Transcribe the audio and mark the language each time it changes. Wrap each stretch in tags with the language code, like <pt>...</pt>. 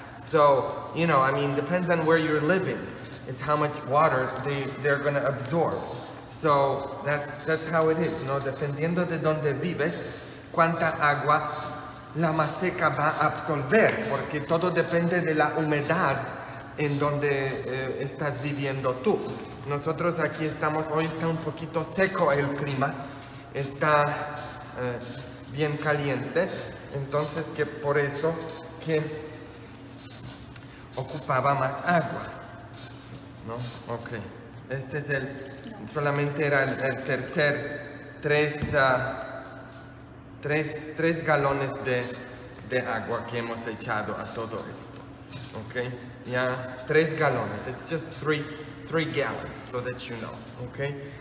<en>So, you know, I mean, depends on where you're living is how much water they're gonna absorb. So that's how it is, no?</en> <es>Dependiendo de donde vives, cuánta agua la maseca va a absorber, porque todo depende de la humedad en donde estás viviendo tú. Nosotros aquí estamos, hoy está un poquito seco el clima, está bien caliente, entonces que por eso que ocupaba más agua, no? Ok. Este es el, solamente era el tercer, tres galones de agua que hemos echado a todo esto.</es> <en>Ok,</en> <es>ya 3 galones,</es> <en>it's just 3 gallons, so that you know, ok.</en>